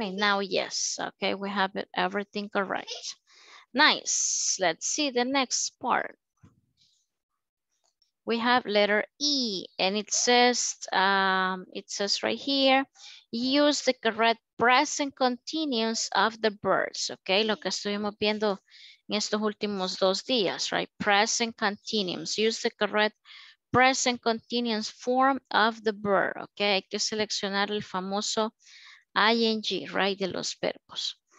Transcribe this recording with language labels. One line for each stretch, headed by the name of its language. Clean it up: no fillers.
English: And now, yes, okay, we have it, everything correct. Nice. Let's see the next part. We have letter E, and it says right here, use the correct present continuous of the verbs.
Spanish: Okay, lo que estuvimos viendo en estos últimos dos días, right?
English: Present continuous. Use the correct present continuous form of the verb, okay?
Spanish: Hay que seleccionar el famoso ing, right? De los verbos.